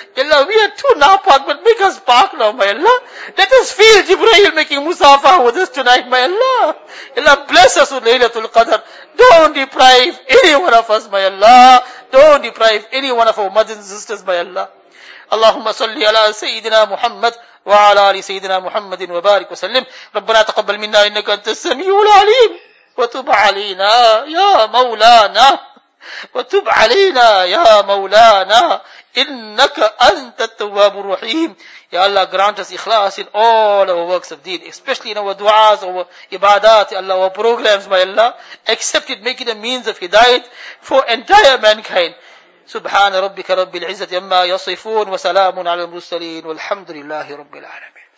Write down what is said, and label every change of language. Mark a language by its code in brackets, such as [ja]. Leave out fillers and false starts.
[en] Ya Allah, we are too napak, but make us park now, my Allah. Let us feel Jibreel making musafa with us tonight, my Allah. Ya Allah, bless us with Laylatul Qadr. Don't deprive any one of us, my Allah. Don't deprive any one of our mothers and sisters, my Allah. [ar] Allahumma salli ala Sayyidina Muhammad. وعلى آل سيدنا محمد وبارك وسلم ربنا تقبل منا إنك أنت السميع العليم وتب علينا يا مولانا وتب علينا يا مولانا إنك أنت التواب الرحيم [en] Ya Allah, grant us ikhlas in all our works of deed, especially in our du'as, our ibadat, Ya Allah, our programs, my Allah. Accept it, make it a means of hidayat for entire mankind. [ar] سبحان ربك رب العزة عما يصفون وسلام على المرسلين والحمد لله رب العالمين